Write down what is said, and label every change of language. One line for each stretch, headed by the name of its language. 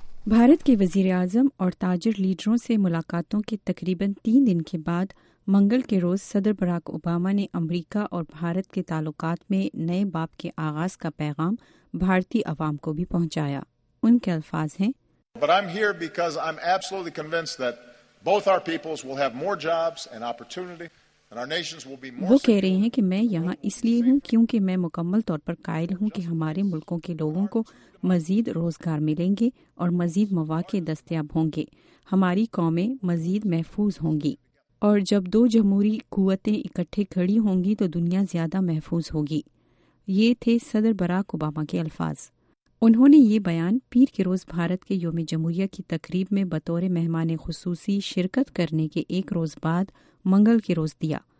Urdu: بھارت کے وزیر اعظم اور تاجر لیڈروں سے ملاقاتوں کے تقریباً 3 دن کے بعد منگل کے روز صدر باراک اوباما نے امریکہ اور بھارت کے تعلقات میں نئے باب کے آغاز کا پیغام بھارتی عوام کو بھی پہنچایا۔ ان کے الفاظ ہیں،
English: But I'm here because I'm absolutely convinced that both our peoples will have more jobs and opportunity and our nations will be more
Urdu: وہ کہہ رہے ہیں کہ میں یہاں اس لیے ہوں کیونکہ میں مکمل طور پر قائل ہوں کہ ہمارے ملکوں کے لوگوں کو مزید روزگار ملیں گے اور مزید مواقع دستیاب ہوں گے، ہماری قومیں مزید محفوظ ہوں گی، اور جب دو جمہوری قوتیں اکٹھے کھڑی ہوں گی تو دنیا زیادہ محفوظ ہوگی۔ یہ تھے صدر باراک اوباما کے الفاظ۔ انہوں نے یہ بیان پیر کے روز بھارت کے یوم جمہوریہ کی تقریب میں بطور مہمان خصوصی شرکت کرنے کے ایک روز بعد منگل کے روز دیا۔